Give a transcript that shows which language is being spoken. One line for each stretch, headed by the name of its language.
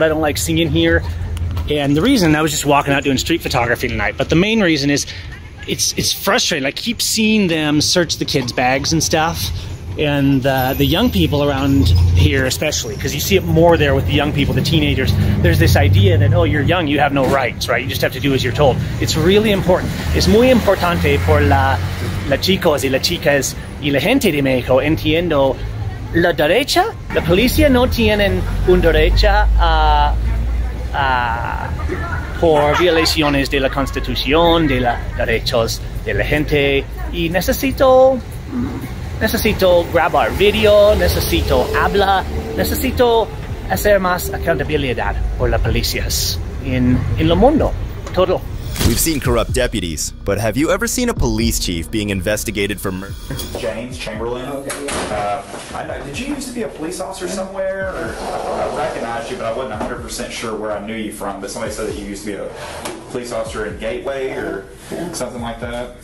English: What I don't like seeing here, and the reason I was just walking out doing street photography tonight, but the main reason is it's frustrating. I keep seeing them search the kids' bags and stuff, and the young people around here especially, because you see it more there with the young people, the teenagers. There's this idea that, oh, you're young, you have no rights, right? You just have to do as you're told. It's really important.
Spanish: Es muy importante por la chicos y las chicas y la gente de México entiendo la derecha. La policía no tienen un derecho a por violaciones de la Constitución, de los derechos de la gente. Y necesito grabar video, necesito hablar, necesito hacer más accountabilidad por las policías en el mundo todo.
English: We've seen corrupt deputies, but have you ever seen a police chief being investigated for murder? James Chamberlain. Okay. I know. Did you used to be a police officer somewhere? Or, I recognized you, but I wasn't 100% sure where I knew you from. But somebody said that you used to be a police officer in Gateway or something like that.